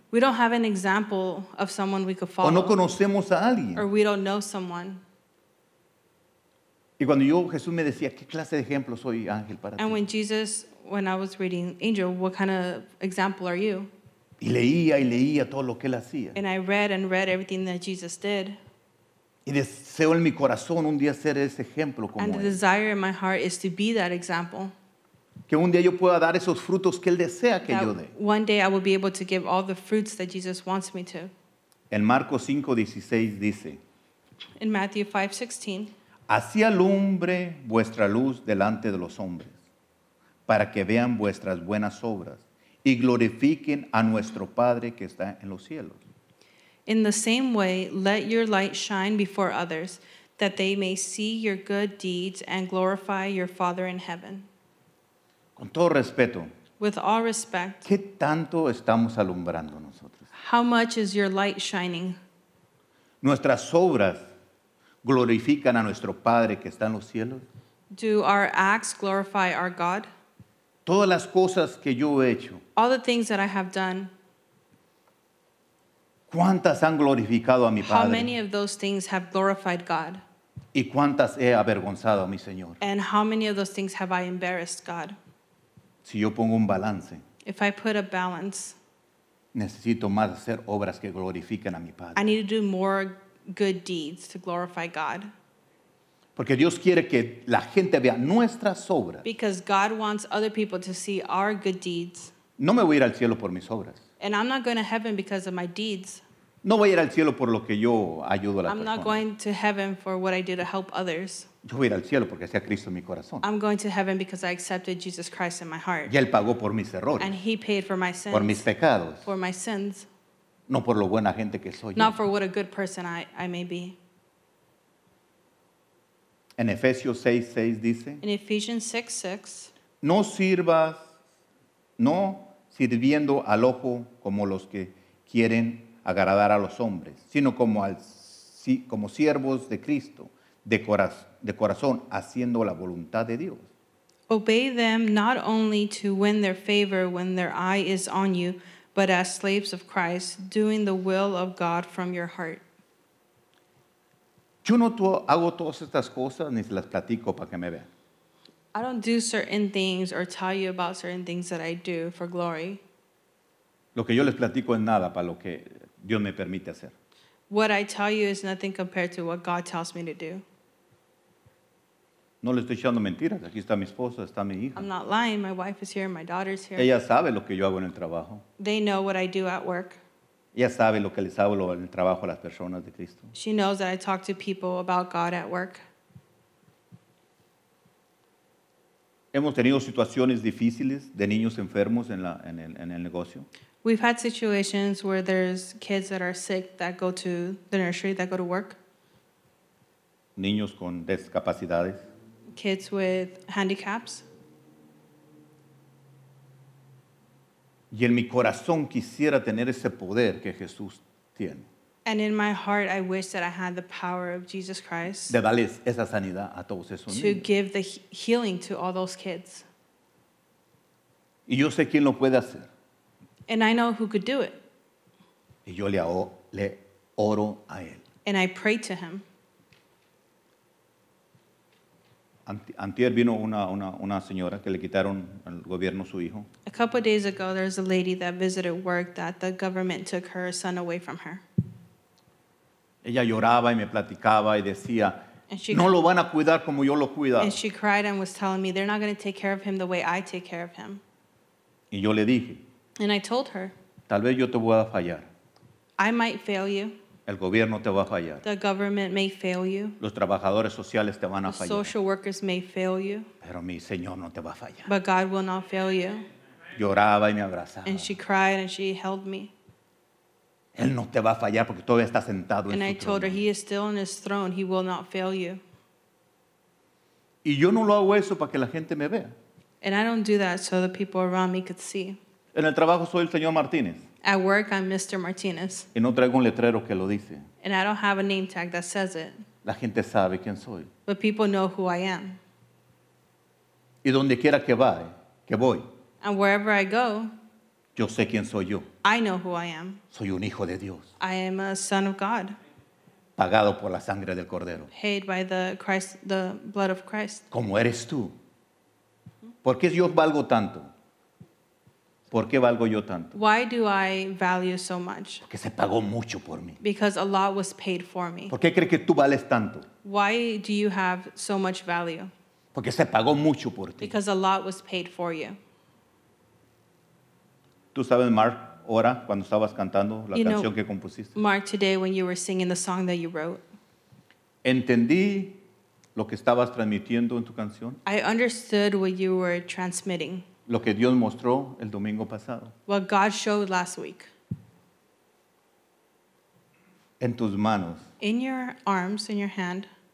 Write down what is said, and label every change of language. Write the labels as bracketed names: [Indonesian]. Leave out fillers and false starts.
[English] We don't have an example of someone we could follow. [Spanish] O no conocemos a alguien. [English] Or we don't know someone. [Spanish] Y cuando yo Jesús me decía, ¿qué clase de ejemplo soy, ángel, para ti? [English] And when I was reading Angel, what kind of example are you? [Spanish] Y leía y leía todo lo que él hacía. [English] And I read and read everything that Jesus did. [Spanish] Y deseo en mi corazón un día ser ese ejemplo como él. [English] And the desire in my heart is to be that example. [Spanish] Que un día yo pueda dar esos frutos que él desea que yo dé. [English] One day I will be able to give all the fruits that Jesus wants me to. [Spanish] En Marcos 5:16 dice. [English] In Matthew 5:16. [Spanish] Así alumbre vuestra luz delante de los hombres, para que vean vuestras buenas obras. Y glorifiquen a nuestro Padre que está en los cielos. [English] In the same way, let your light shine before others, that they may see your good deeds and glorify your Father in heaven. [Spanish] Con todo respeto. [English] With all respect. [Spanish] ¿Qué tanto estamos alumbrando nosotros? [English] How much is your light shining? [Spanish] Nuestras obras glorifican a nuestro Padre que está en los cielos. [English] Do our acts glorify our God? [Spanish] Todas las cosas que yo he hecho. [English] All the things that I have done. [Spanish] ¿Cuántas han glorificado a mi Padre? [English] How many of those things have glorified God? [Spanish] ¿Y cuántas he avergonzado a mi Señor? [English] And how many of those things have I embarrassed God? [Spanish] Si yo pongo un balance. [English] If I put a balance. [Spanish] Necesito más hacer obras que glorifiquen a mi Padre. [English] I need to do more good deeds to glorify God. [Spanish] Porque Dios quiere que la gente vea nuestras obras. [English] Because God wants other people to see our good deeds. [Spanish] No me voy a ir al cielo por mis obras. [English] And I'm not going to heaven because of my deeds. [Spanish] No voy a ir al cielo por lo que yo ayudo a la persona. [English] I'm not going to heaven for what I do to help others. [Spanish] Yo voy a ir al cielo porque hacía Cristo en mi corazón. [English] I'm going to heaven because I accepted Jesus Christ in my heart. [Spanish] Y Él pagó por mis errores. [English] And He paid for my sins. [Spanish] Por mis pecados. [English] For my sins. [Spanish] No por lo buena gente que soy. [English] Not [Spanish] yo. [English] For what a good person I may be. [Spanish] En Efesios 6:6 dice. [English] In Ephesians 6:6. [Spanish] No sirvas, no sirviendo al ojo como los que quieren agradar a los hombres, sino como al como siervos de Cristo, de corazón, haciendo la voluntad de Dios. [English] Obey them not only to win their favor when their eye is on you, but as slaves of Christ, doing the will of God from your heart. [Spanish] Yo no hago todas estas cosas ni las platico para que me vean. [English] I don't do certain things or tell you about certain things that I do for glory. [Spanish] Lo que yo les platico es nada para lo que Dios me permite hacer. [English] What I tell you is nothing compared to what God tells me to do. [Spanish] No le estoy echando mentiras. Aquí está mi esposa, está mi hija. [English] I'm not lying. My wife is here, my daughter's here. [Spanish] Ella sabe lo que yo hago en el trabajo. [English] They know what I do at work. [Spanish] Ella sabe lo que les hablo en el trabajo a las personas de Cristo. [English] She knows that I talk to people about God at work. [Spanish] Hemos tenido situaciones difíciles de niños enfermos en el negocio. [English] We've had situations where there's kids that are sick that go to the nursery, that go to work. [Spanish] Niños con discapacidades. [English] Kids with handicaps. [Spanish] Y en mi corazón quisiera tener ese poder que Jesús tiene. [English] And in my heart, I wish that I had the power of Jesus Christ [Spanish] de darles esa sanidad a todos esos niños. [English] To give the healing to all those kids. [Spanish] Y yo sé quién lo puede hacer. [English] And I know who could do it. [Spanish] Y yo le oro a él. [English] And I pray to him. [Spanish] Antier vino una señora que le quitaron al gobierno su hijo. [English] A couple of days ago, there was a lady that visited work that the government took her son away from her. [Spanish] Ella lloraba y me platicaba y decía, no lo van a cuidar como yo lo cuido. [English] And she cried and was telling me, they're not going to take care of him the way I take care of him. [Spanish] Y yo le dije, [English] and I told her, [Spanish] tal vez yo te voy a fallar. [English] I might fail you. [Spanish] El gobierno te va a fallar. [English] The government may fail you. [Spanish] Los trabajadores sociales te van a fallar. [English] Social workers may fail you. [Spanish] Pero mi Señor no te va a fallar. [English] But God will not fail you. [Spanish] Lloraba y me abrazaba. [English] And she cried and she held me. [Spanish] Él no te va a fallar porque todavía está sentado en su trono. [English] And I told her, he is still on his throne. He will not fail you. [Spanish] Y yo no lo hago eso para que la gente me vea. [English] And I don't do that so the people around me could see. [Spanish] En el trabajo soy el señor Martínez. [English] At work, I'm Mr. Martinez. [Spanish] Y no traigo un letrero que lo dice. [English] And I don't have a name tag that says it. [Spanish] La gente sabe quién soy. [English] But people know who I am. [Spanish] Y donde quiera que voy. [English] And wherever I go, [Spanish] yo sé quién soy yo. [English] I know who I am. [Spanish] Soy un hijo de Dios. [English] I am a son of God. [Spanish] Pagado por la sangre del Cordero. [English] Paid by the blood of Christ. [Spanish] ¿Cómo eres tú? ¿Por qué yo valgo tanto? ¿Por qué valgo yo tanto? [English] Why do I value so much? [Spanish] Porque se pagó mucho por mí. [English] Because a lot was paid for me. [Spanish] ¿Por qué crees que tú vales tanto? [English] Why do you have so much value? [Spanish] Porque se pagó mucho por ti. [English] Because a lot was paid for you. [Spanish] ¿Tú sabes, Mark, ahora cuando estabas cantando la [English] you [Spanish] canción que compusiste? [English] Mark, today when you were singing the song that you wrote. [Spanish] Entendí lo que estabas transmitiendo en tu canción. [English] I understood what you were transmitting. [Spanish] Lo que Dios mostró el domingo pasado. [English] What God showed last week. [Spanish] En tus manos. [English] In your arms, in your hand.